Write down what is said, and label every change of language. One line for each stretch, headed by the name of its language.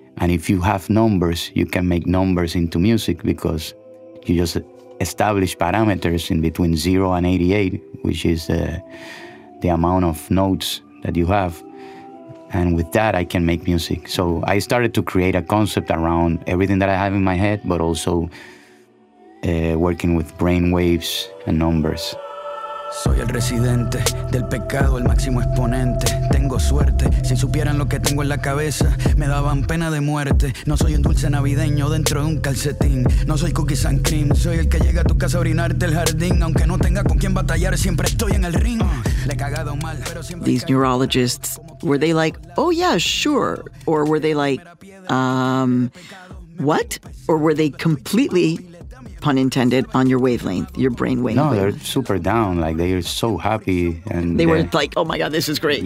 English: And if you have numbers, you can make numbers into music, because you just establish parameters in between 0 and 88, which is the amount of notes that you have. And with that, I can make music. So I started to create a concept around everything that I have in my head, but also working with brain waves and numbers.
Spanish: Soy el residente del pecado, el máximo exponente. Tengo suerte, si supieran lo que tengo en la cabeza, me daban pena de muerte. No soy un dulce navideño dentro de un calcetín. No soy
English: cookies and cream,
Spanish: soy el que llega a tu casa a orinarte el jardín. Aunque no tenga con quién batallar, siempre estoy en el ring. Le he cagado mal, pero siempre...
English: These neurologists, were they like, oh yeah, sure? Or were they like, what? Or were they completely... pun intended, on your wavelength, your brain wavelength? No, they're super down. Like, they are so happy. And they were like, oh my God, this is great.